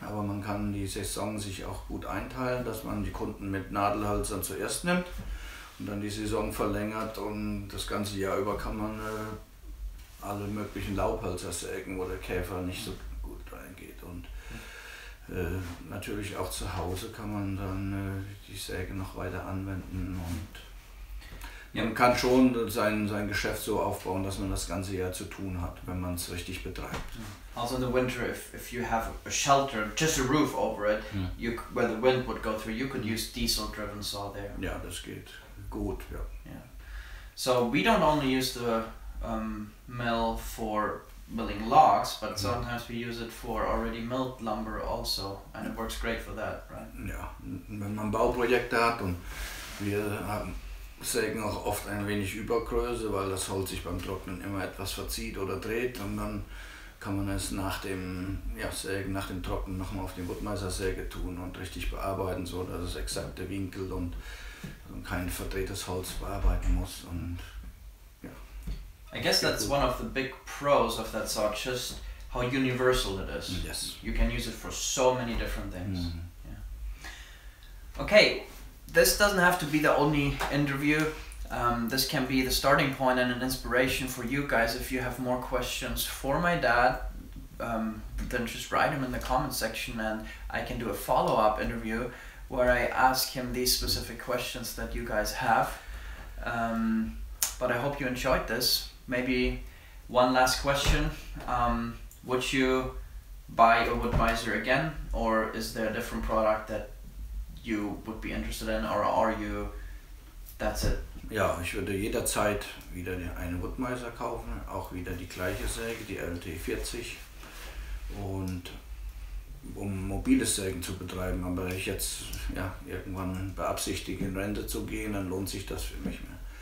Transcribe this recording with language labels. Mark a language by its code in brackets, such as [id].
[de] Aber man kann die Saison sich auch gut einteilen, dass man die Kunden mit Nadelhölzern zuerst nimmt und dann die Saison verlängert, und das ganze Jahr über kann man alle möglichen Laubhölzer sägen, wo der Käfer nicht so gut reingeht. Und natürlich auch zu Hause kann man dann die Säge noch weiter anwenden, und man kann schon sein Geschäft so aufbauen, dass man das ganze Jahr zu tun hat, wenn man es richtig betreibt. [en] Also in the winter, if you have a shelter, just a roof over it, you, where the wind would go through, you could use diesel-driven saw there. [de] Ja, das geht gut, ja. [en] Yeah. So we don't only use the mill for milling logs, but sometimes we use it for already milled lumber also, and it works great for that, right? [de] Ja, wenn man Bauprojekte hat, und wir sägen auch oft ein wenig Übergröße, weil das Holz sich beim Trocknen immer etwas verzieht oder dreht, und dann kann man es nach dem Sägen, nach dem Trocknen nochmal auf die Wuttmeißersäge tun und richtig bearbeiten, so dass es exakte Winkel und kein verdrehtes Holz bearbeiten muss. Und [en] I guess that's one of the big pros of that saw, just how universal it is. Yes. You can use it for so many different things. Mm-hmm. Yeah. Okay, this doesn't have to be the only interview. This can be the starting point and an inspiration for you guys. If you have more questions for my dad, then just write him in the comment section and I can do a follow-up interview where I ask him these specific questions that you guys have. But I hope you enjoyed this. Maybe one last question, would you buy a Woodmeister again, or is there a different product that you would be interested in, or are you, that's it? [de] Ja, ich würde jederzeit wieder einen Woodmeister kaufen, auch wieder die gleiche Säge, die LT40, und um mobile Sägen zu betreiben, aber wenn ich jetzt irgendwann beabsichtige, in Rente zu gehen, dann lohnt sich das für mich mehr.